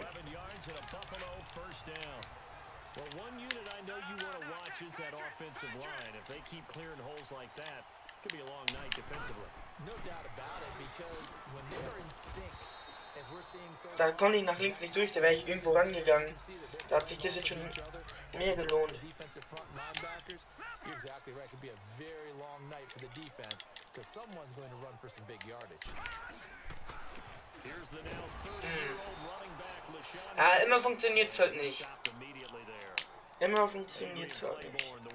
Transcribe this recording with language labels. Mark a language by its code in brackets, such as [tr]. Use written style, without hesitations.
[en] Well, one unit I know you want to watch is that offensive line. If they keep clearing holes like that, Could be a long night defensively. No doubt about it, because when they're in sync, as we're seeing so. [de] Da konnte ich nach links nicht durch, da wäre ich irgendwo rangegangen. Da hat sich das jetzt schon mehr gelohnt. [en] Defensive front linebackers. You're exactly right. Could be a very long night for the defense, because someone's going to run for some big yardage. [de] Ja, immer funktioniert es halt nicht. Immer funktioniert es halt nicht.